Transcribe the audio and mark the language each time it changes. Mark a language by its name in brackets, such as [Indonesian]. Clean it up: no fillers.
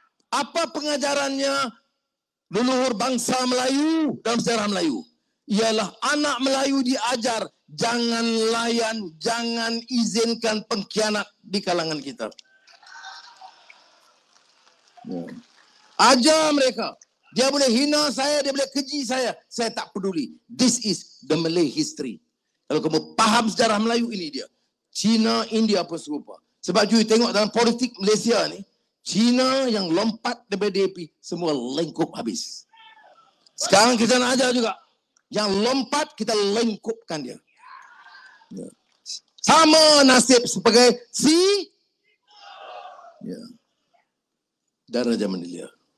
[Malay] Apa pengajarannya leluhur bangsa Melayu dalam sejarah Melayu? Ialah anak Melayu diajar, jangan layan, jangan izinkan pengkhianat di kalangan kita. Ajar mereka. Dia boleh hina saya, dia boleh keji saya. Saya tak peduli. [English] This is the Malay history. [Malay] Kalau kamu faham sejarah Melayu, ini dia. China, India apa serupa. Sebab you tengok dalam politik Malaysia ni, China yang lompat daripada DAP, semua lengkup habis. Sekarang kita nak ajar juga. Yang lompat, kita lengkupkan dia. Sama nasib sebagai si dan Raja Mandilia.